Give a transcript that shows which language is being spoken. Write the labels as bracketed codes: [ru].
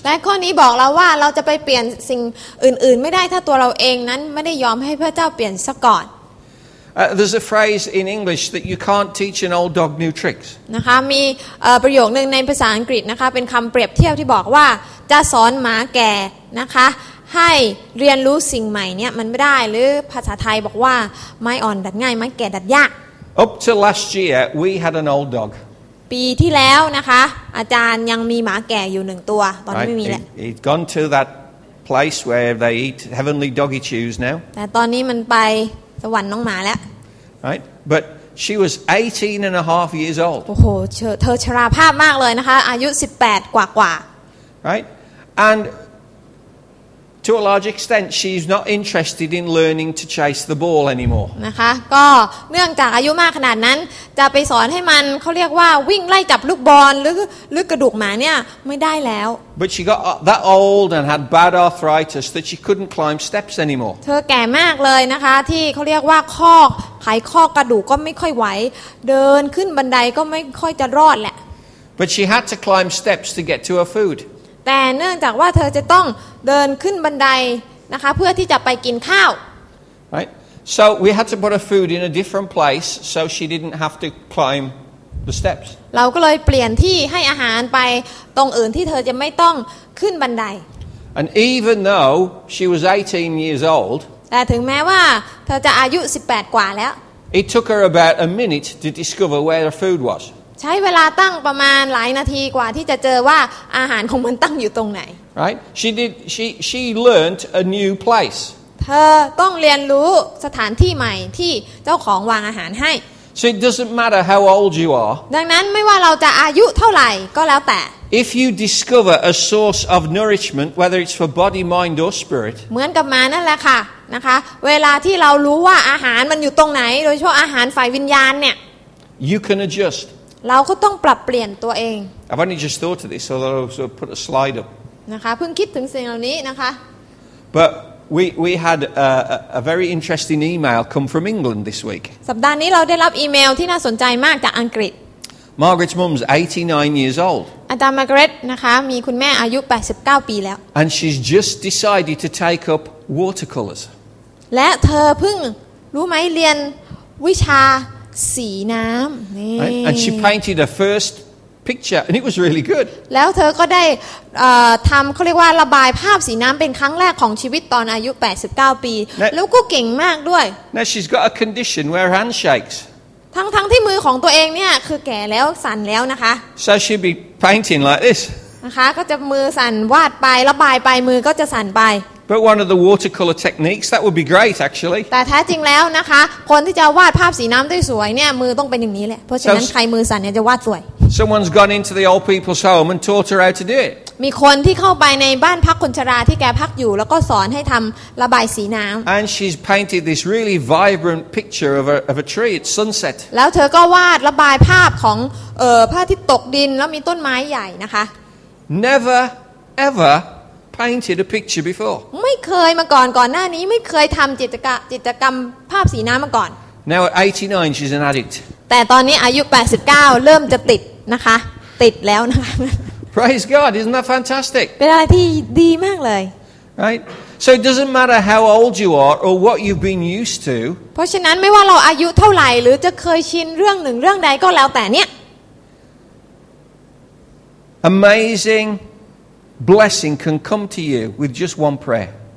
[th] และข้อนี้บอกเราว่าเราจะไปเปลี่ยนสิ่งอื่นๆไม่ได้ถ้าตัวเราเองนั้นไม่ได้ยอมให้พระเจ้าเปลี่ยนซะก่อน [en] There's a phrase in English that you can't teach an old dog new tricks. [th] นะคะมีประโยคนึงในภาษาอังกฤษนะคะเป็นคำเปรียบเทียบที่บอกว่าจะสอนหมาแก่นะคะให้เรียนรู้สิ่งใหม่เนี่ยมันไม่ได้หรือภาษาไทยบอกว่าไม้อ่อนดัดง่ายไม้แก่ดัดยาก [en] Up to last year we had an old dog. [th] ปีที่แล้วนะคะอาจารย์ยังมีหมาแก่อยู่หนึ่งตัวตอนนี้ไม่มีแล้ว [en] He'd gone to that place where they eat heavenly doggy chews now. [th] แต่ตอนนี้มันไปสวรรค์น้องหมาแล้ว [en] right but she was 18 and a half years old [th] โอ้โหเธอชราภาพมากเลยนะคะอายุ18กว่า [en] right and to a large extent she's not interested in learning to chase the ball anymore [th] นะคะก็เนื่องจากอายุมากขนาดนั้นจะไปสอนให้มันเขาเรียกว่าวิ่งไล่จับลูกบอลหรือกระดูกหมาเนี่ยไม่ได้แล้ว [en] but she got that old and had bad arthritis that she couldn't climb steps anymore [th] เธอแก่มากเลยนะคะที่เขาเรียกว่าข้อไขข้อกระดูกก็ไม่ค่อยไหวเดินขึ้นบันไดก็ไม่ค่อยจะรอดแหละ [en] but she had to climb steps to get to her food [th] แต่เนื่องจากว่าเธอจะต้องเดินขึ้นบันไดนะคะเพื่อที่จะไปกินข้าว [en] Right so we had to put her food in a different place so she didn't have to climb the steps [th] เราก็เลยเปลี่ยนที่ให้อาหารไปตรงอื่นที่เธอจะไม่ต้องขึ้นบันได [en] And even though she was 18 years old [th] แต่ถึงแม้ว่าเธอจะอายุ18กว่าแล้ว [en] It took her about a minute to discover where her food was [th] ใช้เวลาตั้งประมาณหลายนาทีกว่าที่จะเจอว่าอาหารของมันตั้งอยู่ตรงไหน [en] Right she learned a new place [th] เธอต้องเรียนรู้สถานที่ใหม่ที่เจ้าของวางอาหารให้ [en] So it doesn't matter how old you are [th] ดังนั้นไม่ว่าเราจะอายุเท่าไหร่ก็แล้วแต่ [en] If you discover a source of nourishment whether it's for body mind or spirit [th] เหมือนกับมานั่นแหละค่ะนะคะเวลาที่เรารู้ว่าอาหารมันอยู่ตรงไหนโดยเฉพาะอาหารฝ่ายวิญญาณเนี่ย [en] You can adjust [th] เราก็ต้องปรับเปลี่ยนตัวเอง [en] I've only just thought of this, so I'll sort of put a slide up. [th] นะคะเพิ่งคิดถึงสิ่งเหล่านี้นะคะ [en] But we had a very interesting email come from England this week. [th] สัปดาห์นี้เราได้รับอีเมลที่น่าสนใจมากจากอังกฤษ [en] Margaret's mum's 89 years old. [th] อาจารย์ Margaret นะคะมีคุณแม่อายุ89ปีแล้ว [en] And she's just decided to take up watercolors. [th] และเธอเพิ่งรู้ไหมเรียนวิชาสีน้ำนี่ [en] and she painted her first picture and it was really good [th] แล้วเธอก็ได้ทำเขาเรียกว่าระบายภาพสีน้ำเป็นครั้งแรกของชีวิตตอนอายุ89ปี [en] now, [th] แล้วก็เก่งมากด้วย [en] now she's got a condition where her hand shakes [th] ทั้งที่มือของตัวเองเนี่ยคือแก่แล้วสั่นแล้วนะคะ [en] so she'd be painting like this [th] นะคะก็จะมือสั่นวาดไประบายไปมือก็จะสั่นไป [en] But one of the watercolor techniques that would be great, actually. [th] แต่แท้จริงแล้วนะคะคนที่จะวาดภาพสีน้ำได้สวยเนี่ยมือต้องเป็นอย่างนี้แหละเพราะฉะนั้นใครมือสั่นเนี่ยจะวาดสวย [en] Someone's gone into the old people's home and taught her how to do it. [th] มีคนที่เข้าไปในบ้านพักคนชราที่แกพักอยู่แล้วก็สอนให้ทำระบายสีน้ำ [en] And she's painted this really vibrant picture of a tree at sunset. [th] แล้วเธอก็วาดระบายภาพของพระอาทิตย์ตกดินแล้วมีต้นไม้ใหญ่นะคะ [en] Never, ever. Painted a picture before. [th] ไม่เคยมาก่อนหน้านี้ไม่เคยทำจิตรกรรมภาพสีน้ำมาก่อน [en] Now at 89 she's an addict. [th] แต่ตอนนี้อายุ89เริ่มจะติดนะคะติดแล้วนะคะ [en] Praise God, isn't that fantastic? [th] เป็นอะไรที่ดีมากเลย [en] Right. So it doesn't matter how old you are or what you've been used to. [th] เพราะฉะนั้นไม่ว่าเราอายุเท่าไหร่หรือจะเคยชินเรื่องหนึ่งเรื่องใดก็แล้วแต่เนี่ย [en] Amazing. Blessing can come to you with just one prayer.